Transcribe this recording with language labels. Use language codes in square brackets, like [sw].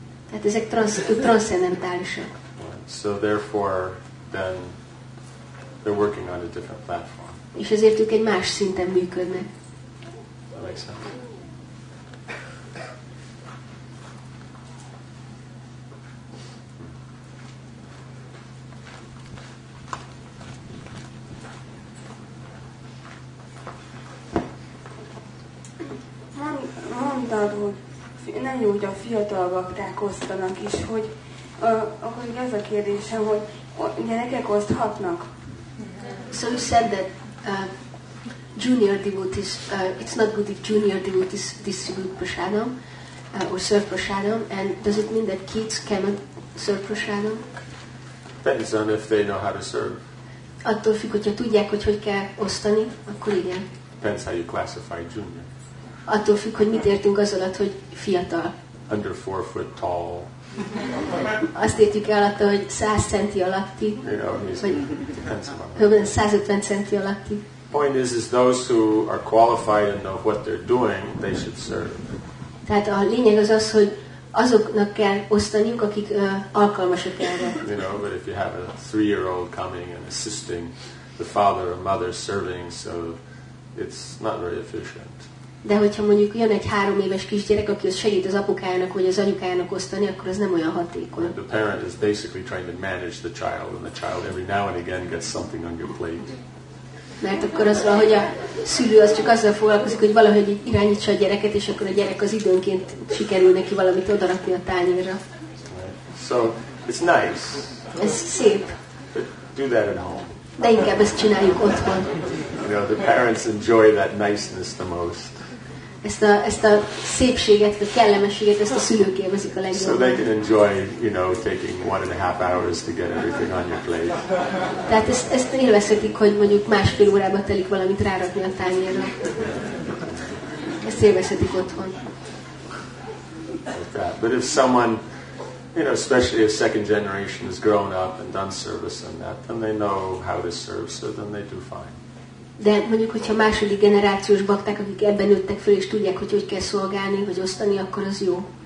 [hu] Tehát ezek transzcendentálisak. [en] So therefore, then they're working on a different platform. [hu] És ezért ők egy más szinten működnek. [en] That makes sense. [hu] mondtad, hogy nem jó, hogy a fiatal bakták osztanak is, hogy akkor ez a kérdésem, hogy gyerekek oszthatnak. [en] So you said that junior devotees, it's not good if junior devotees distribute prasadam or serve prasadam, and does it mean that kids cannot serve prasadam? Depends on if they know how to serve. [hu] Attól függ, hogyha tudják, hogy hogy kell osztani, akkor igen. [en] Depends how you classify junior. [hu] Attól függ, hogy mit értünk az alatt, hogy fiatal. [en] Under 4 foot tall. [hu] Azt értjük el attól, hogy 100 centi alatti. [en] Yeah, [hu] vagy 150 centi alatti. [en] Point is those who are qualified and know what they're doing, they should serve. [hu] Tehát a lényeg az az, hogy azoknak kell osztaniuk, akik alkalmasak erre. [en] You know, but if you have a 3-year-old coming and assisting the father or mother serving, so it's not very efficient. [hu] De hogyha mondjuk jön egy 3 éves kisgyerek, aki az segít az apukájának vagy az anyukájának osztani, akkor az nem olyan hatékony. [en] The parent is basically trying to manage the child, and the child every now and again gets something on your plate. [hu] Mert akkor az van, hogy a szülő az csak azzal foglalkozik, hogy valahogy irányítsa a gyereket, és akkor a gyerek az időnként sikerül neki valamit odarakni a tányérra. [en] So, it's nice. [hu] Ez szép. [en] Do that at home. [hu] De inkább ezt csináljuk otthon. [en] You know, the parents enjoy that niceness the most. [hu] Ezt a szépséget, a kellemességet, ezt a szülők élvezik a legjobban. [en] So they can enjoy, you know, taking 1.5 hours to get everything on your plate. [hu] Tehát ezt élvezhetik, hogy mondjuk másfél órába telik valamit rárakni a tányérra. Ezt élvezhetik otthon. [en] Like that. But if someone, you know, especially a second generation has grown up and done service and that, then they know how to serve, so then they do fine. [hu] De mondjuk, hogyha második generációs bakták, akik ebben nőttek föl, és tudják, hogy hogy kell szolgálni, vagy osztani, akkor az jó.